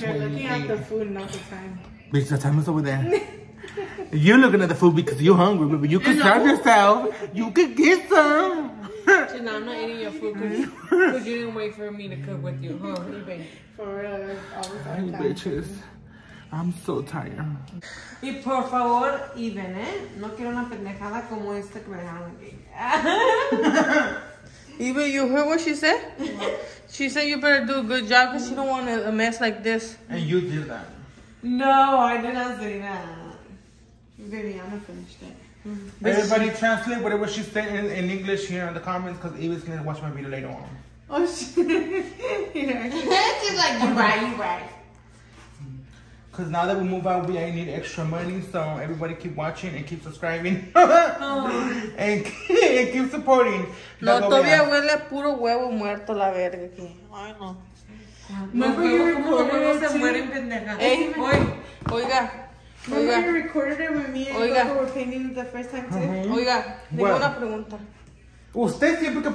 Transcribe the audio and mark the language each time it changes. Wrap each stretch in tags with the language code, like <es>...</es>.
<en>They're looking at the food, not the time. Bitch, the time is over there. You're looking at the food because you're hungry, but you can serve yourself. You can get some. No, I'm not eating your food because you didn't wait for me to cook with you, huh, eBay? For real, I was like, bitches, I'm so tired.</en> <es>Y por favor, even, no quiero una pendejada como esta que me dejaron aquí.</es> <en>Even, you heard what she said? What? She said you better do a good job because you don't want a mess like this. And you did that. No, I did not say that. Viviana finished it. Everybody translate whatever she's saying in English here in the comments because Ava's gonna watch my video later on. Oh shit. Yeah. She's like, you're right. Because now that we move out, we need extra money, so everybody keep watching and keep subscribing. and keep supporting.</en> <es>No, todavía huele a puro huevo muerto la verga aquí.</es> <en>Ay, no. Remember you recorded it?</en> <es>Se mueren pendejas. Hey, oiga.</es> <en>Remember you recorded it with me and</en>